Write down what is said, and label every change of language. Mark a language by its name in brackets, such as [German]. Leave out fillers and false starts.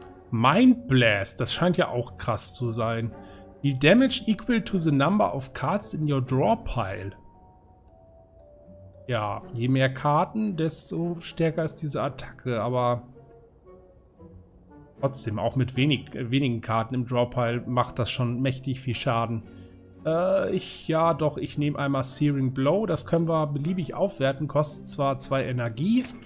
[German] Mind Blast, das scheint ja auch krass zu sein. [English] Deal Damage equal to the number of cards in your draw pile. [German] Ja, je mehr Karten, desto stärker ist diese Attacke, aber trotzdem, auch mit wenigen Karten im Draw Pile macht das schon mächtig viel Schaden. Ich nehme einmal Searing Blow, das können wir beliebig aufwerten, kostet zwar 2 Energie.